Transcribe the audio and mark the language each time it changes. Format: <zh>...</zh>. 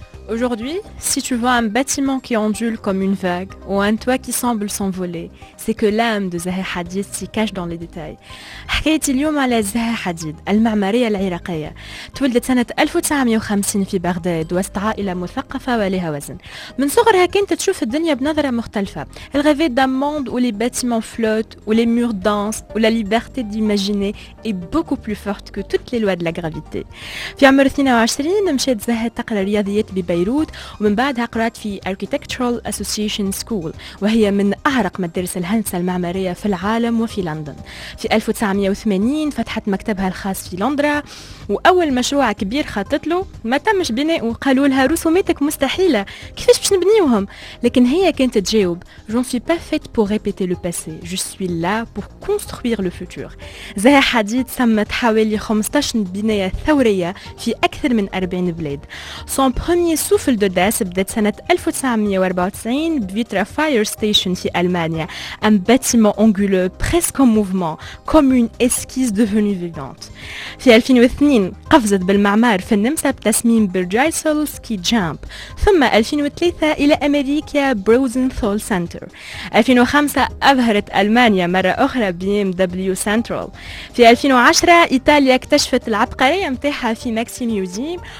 <fr>Aujourd'hui, si tu vois un bâtiment qui ondule comme une vague ou un toit qui semble s'envoler, c'est que l'âme de Zaha Hadid s'y cache dans les détails.</fr> <ar>حكايتي اليوم على زها حديد المعمارية العراقية. تولدت سنة 1950 في بغداد واسعى إلى مثقفة ولها وزن. من صغرها كانت تشوف الدنيا بنظرة مختلفة.</ar> <fr>Elle rêvait d'un monde où les bâtiments flottent, où les murs dansent, où la liberté d'imaginer est beaucoup plus forte que toutes les lois de la gravité.</fr> <ar>في عمر 22 مشيت زها تقرا رياضيات ببيروت ومن بعدها قرات في Architectural Association School وهي من أعرق مدارس الهندسة المعمارية في العالم وفي لندن. في 1980 فتحت مكتبها الخاص في لندن وأول مشروع كبير خطط له ما تمش بنائه. قالوا لها رسوماتك مستحيلة كيفاش باش نبنيوهم؟ لكن هي كانت تجاوب</ar> <fr>J'en suis pas faite pour répéter le passé, je suis là pour construire le futur.</fr> <ar>زها حديد سمت حوالي 15 بناية ثورية في أكثر من 40 بلاد.</ar> <fr>Son premier souffle d'audace</fr> <ar>بدات سنة 1994 بفيترا فاير ستيشن في ألمانيا.</ar> <fr>Un bâtiment anguleux presque en mouvement, comme une esquisse devenue vivante.</fr> <ar>في 2002 قفزت بالمعمار في النمسا بتصميم برجايسل سكي جامب. ثم 2003 إلى أمريكا بروزنثول سنتر. 2005 أظهرت ألمانيا مرة أخرى BMW سنترال. في 2010 إيطاليا اكتشفت العبقرية متاحة في ماكسي ميوزيم.</ar>